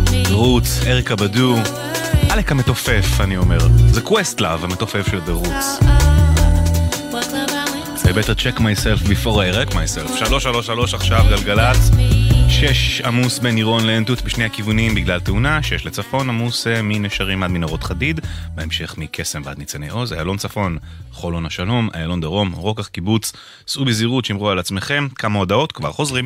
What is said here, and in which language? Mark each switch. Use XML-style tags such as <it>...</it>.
<he>רוץ, אריקה בדו, עלק המתופף, אני אומר. זה קווסט לב, המתופף של דה רוץ.</he> <en>I better check myself before I wreck myself.</en> <he>333 עכשיו גלגלת. 6 עמוס בין עירון לאנטות בשני הכיוונים בגלל תאונה. 6 לצפון עמוס מנשרים עד מנהרות חדיד. בהמשך מקסם ועד ניצני עוז. איילון צפון, חולון השלום. איילון דרום, רוקח קיבוץ. סעו בזהירות, שמרו על עצמכם. כמה הודעות, כבר חוזרים.</he>